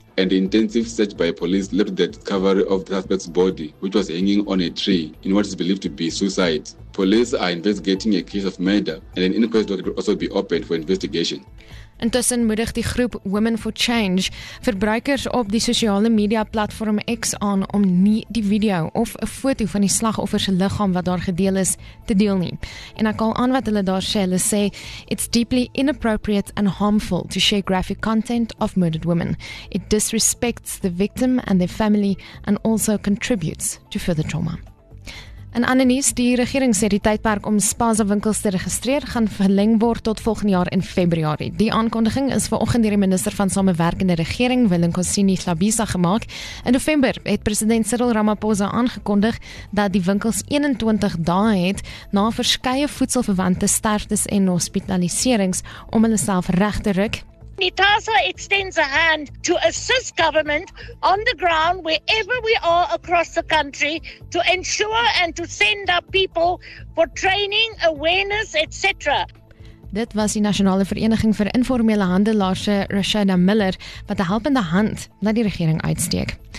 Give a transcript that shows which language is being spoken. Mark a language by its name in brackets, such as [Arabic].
[English] And the intensive search by police led to the discovery of the suspect's body, which was hanging on a tree in what is believed to be suicide. Police are investigating a case of murder, and an inquest will also be opened for investigation. [Afrikaans] Intussen moedig die groep Women for Change verbruikers op die sosiale media platform X aan om nie die video of 'n foto van die slagoffer se liggaam wat daar gedeel is te deel nie. En ek haal aan wat hulle daar sê, hulle sê [English] it's deeply inappropriate and harmful to share graphic content of murdered women. It disrespects the victim and their family and also contributes to further trauma. [Afrikaans] En aan die nuus, die regering sê die tydperk om Spaza winkels te registreer gaan verleng word tot volgende jaar in Februarie. Die aankondiging is vanoggend deur die minister van Samewerkende Regering, Willem Kosini Slabisa gemaak. In November het president Cyril Ramaphosa aangekondig dat die winkels 21 dae het na verskeie voedselverwante sterftes en hospitaliserings om hulle self reg te ruk. [English] NITASA extends a hand to assist government on the ground wherever we are across the country to ensure and to send our people for training, awareness, etc. [Afrikaans] Dit was die Nasionale Vereniging vir Informele Handelaars, Rashida Miller, wat 'n helpende hand na die regering uitsteek.